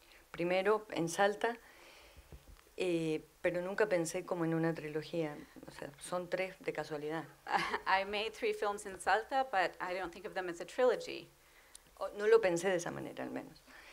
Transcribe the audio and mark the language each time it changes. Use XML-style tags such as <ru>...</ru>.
<es>Primero, en Salta, pero nunca pensé como en una trilogía. O sea, son tres de casualidad.</es> <en>I made three films in Salta, but I don't think of them as a trilogy.</en> <es>No lo pensé de esa manera, al menos.</es>